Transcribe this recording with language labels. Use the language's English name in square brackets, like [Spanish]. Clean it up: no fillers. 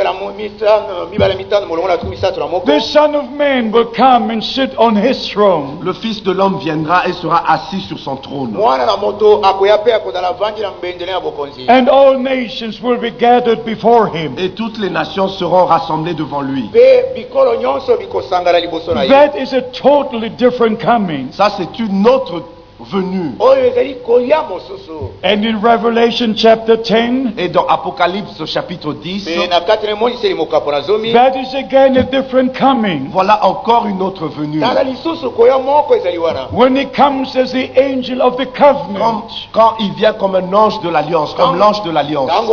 [English] The Son of Man will come and sit on his throne. [French] Le Fils de l'homme viendra et sera assis sur son trône. [English] And all nations will be gathered before him. [French] Et toutes les nations seront rassemblées devant lui. [English] That is a totally different coming. [French] Ça c'est une autre venu. [English] And in Revelation chapter 10, [French] et dans Apocalypse chapitre 10, [English] that is again a different coming. [French] Voilà encore une autre venue. [English] When he comes as the angel of the covenant, [French] quand il vient comme un ange de l'alliance, comme l'ange de l'alliance.